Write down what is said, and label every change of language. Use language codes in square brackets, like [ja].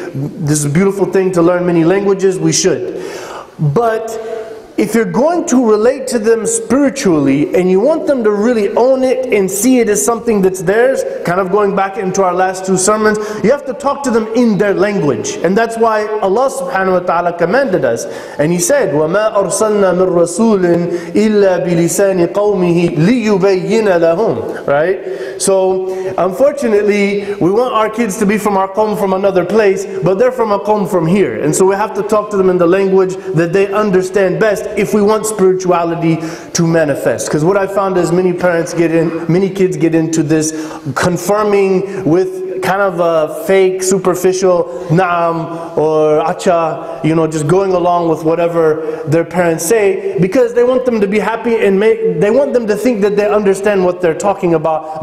[en] This is a beautiful thing to learn many languages. We should. But if you're going to relate to them spiritually and you want them to really own it and see it as something that's theirs, kind of going back into our last two sermons, you have to talk to them in their language. And that's why Allah subhanahu wa ta'ala commanded us. [ar] And He said, وَمَا أَرْسَلْنَا مِن رَسُولٍ إِلَّا بِلِسَانِ قَوْمِهِ لِيُبَيِّنَ لَهُمْ. [en] Right? So, unfortunately, we want our kids to be from our qawm from another place, but they're from a qawm from here. And so we have to talk to them in the language that they understand best, if we want spirituality to manifest. Because what I found is many kids get into this confirming with kind of a fake, superficial na'am or acha, you know, just going along with whatever their parents say, because they want them to be happy and they want them to think that they understand what they're talking about.